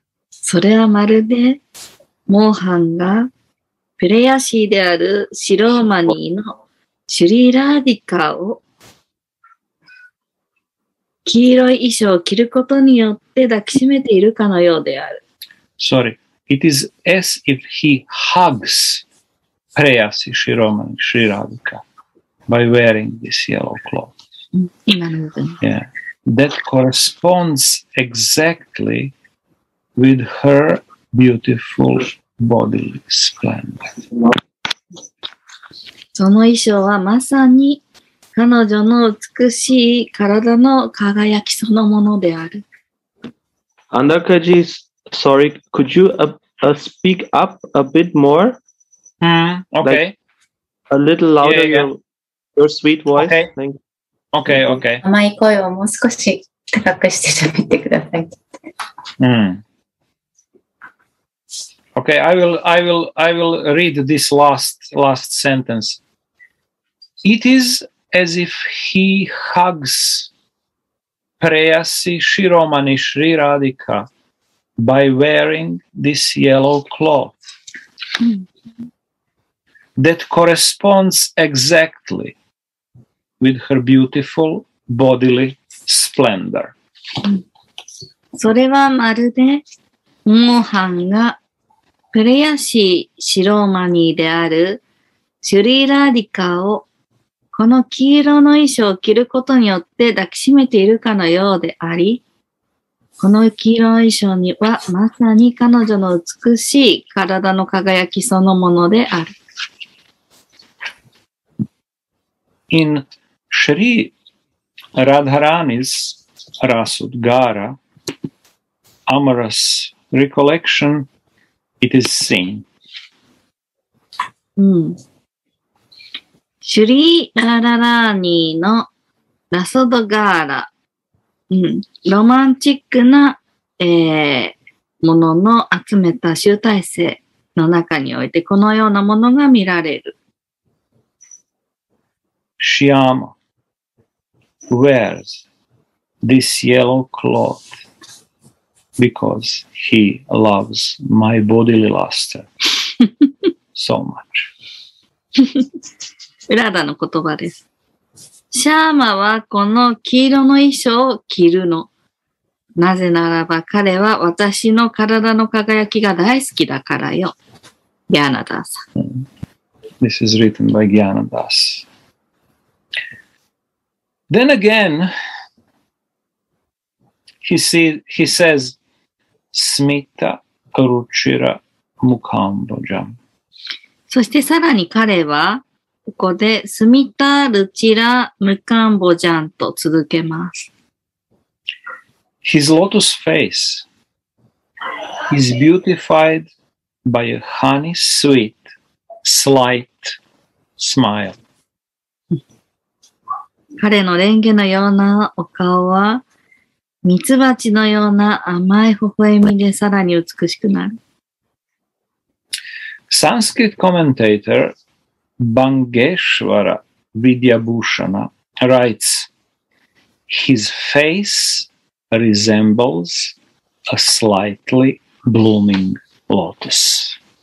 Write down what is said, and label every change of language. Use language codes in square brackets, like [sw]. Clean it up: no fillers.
[ja] それはまるでモーハンがプレヤシーであるシローマニーのシュリーラーディカを黄色い衣装を着ることによって抱きしめているかのようである。 [en] Sorry. It is as if he hugs Preyasi Shiromani Shri Radhika by wearing this yellow cloth. [ja] 今の部分。 [en] Yeah. That corresponds exactly with her beautiful bodily splendor. その衣装はまさに彼女の美しい体の輝きそのものである。 Andakaji, sorry, could you speak up a bit more? Okay. Like, a little louder your sweet voice. Okay. Thank you. Okay, okay. [ja] 甘い声をもう少し高くして喋ってください。 [en] Okay, I will read this last sentence. It is as if he hugs Preyasi Shiromani Shri Radhika. By wearing this yellow cloth that corresponds exactly with her beautiful bodily splendor. [ja] それはまるでモーハンがプレヤシーシローマニーであるシュリーラーディカをこの黄色の衣装を着ることによって抱きしめているかのようであり、この黄色い衣装にはまさに彼女の美しい体の輝きそのものである。 [en] In Shri Radharani's Rasudgara, Amorous Recollection, it is seen. [ja] Shri Radharani のラソドガーラ。ロマンチックな、ものの集めた集大成の中においてこのようなものが見られる。 [en] シアマ wears this yellow cloth because he loves my bodily luster so much. [ja] ウラダの言葉です。シャーマはこの黄色の衣装を着るの。なぜならば彼は私の体の輝きが大好きだからよ。ギャーナダーさん。 [en] This is written by ギャーナダース。 Then again, he says, [sa] Smita Ruchira Mukambojam. [ja] そしてさらに彼は、ここで、 [sa] スミタ・ルチラ・ムカンボジャン [ja] と続けます。 [en] His lotus face is beautified by a honey sweet, slight smile. [ja] 彼のレンゲのようなお顔は、ミツバチのような甘い微笑みでさらに美しくなる。 [en] Sanskrit commentator,Bangeshwara Vidyabhushana writes, His face resembles a slightly blooming lotus.